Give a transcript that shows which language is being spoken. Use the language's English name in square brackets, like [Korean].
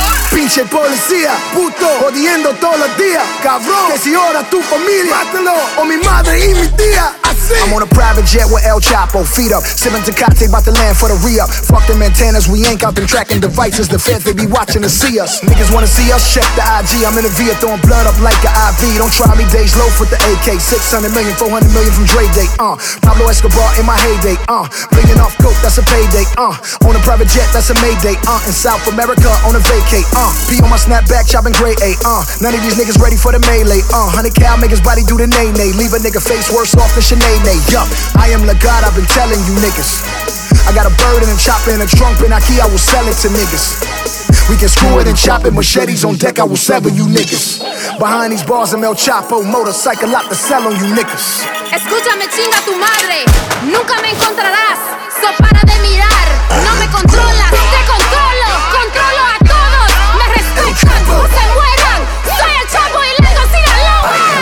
[Spanish] Pinche policía, puto, jodiendo todos los días, cabrón, que si ahora tu familia, mátalo, o mi madre y mi tía. [English] I'm on a private jet with El Chapo, feet up. Sipping Tecate, about to land for the re-up. Fuck them antennas, we ain't got them tracking devices. The feds, they be watching to see us. Niggas wanna see us, check the IG. I'm in a via throwing blood up like an IV. Don't try me, Dej Loaf with the AK. 600 million, 400 million from Dre Day, Pablo Escobar in my heyday, Bringing off coke, that's a payday, On a private jet, that's a mayday, In South America, on a vacay, Be on my snapback, chopping gray A, None of these niggas ready for the melee, 100 cal, make his body do the nay-nay. Leave a nigga face worse off than Chanel. Yup, I am the God, I've been telling you niggas. I got a bird and a chopper and a trunk and a key, I will sell it to niggas. We can screw it and chop it, machetes on deck, I will sever you niggas. Behind these bars, I'm El Chapo, motorcycle out to sell on you niggas. [Spanish] Escúchame, chinga tu madre, nunca me encontrarás. So para de mirar, no me controlas, te controlo, controlo a todos. Me respetan, no se muevan, soy El Chapo y lengo Sinaloa.